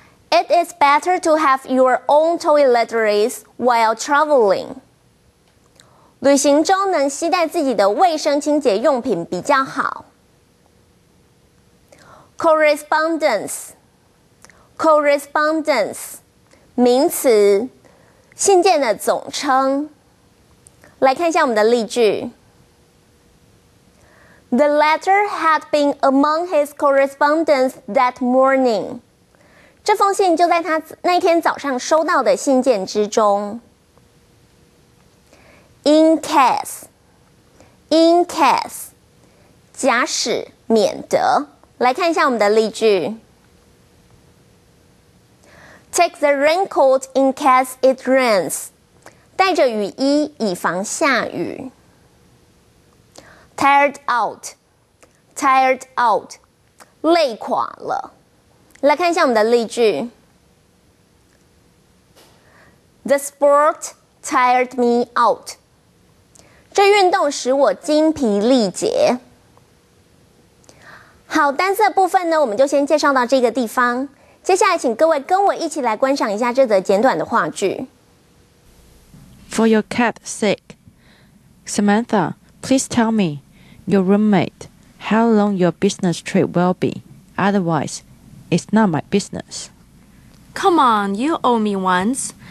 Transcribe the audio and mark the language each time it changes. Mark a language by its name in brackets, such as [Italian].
[English] It is better to have your own toiletries while traveling. [Chinese] 旅行中能携带自己的卫生清洁用品比较好。 Correspondence, 名词，信件的总称。来看一下我们的例句。 [English] The letter had been among his correspondence that morning. [Chinese] 这封信就在他那天早上收到的信件之中。 In case, 假使、免得。来看一下我们的例句。 [English] Take the raincoat in case it rains. [Chinese] 带着雨衣以防下雨。 [English] Tired out. Tired out. [Chinese] 累垮了。来看一下我们的例句。 [English] The sport tired me out. [Chinese] 这运动使我精疲力竭。好，单字的部分呢，我们就先介绍到这个地方。接下来请各位跟我一起来观赏一下这则简短的话句。 [English] For your cat's sake, Samantha, please tell me, your roommate, how long your business trip will be. Otherwise, it's not my business. Come on, you owe me once.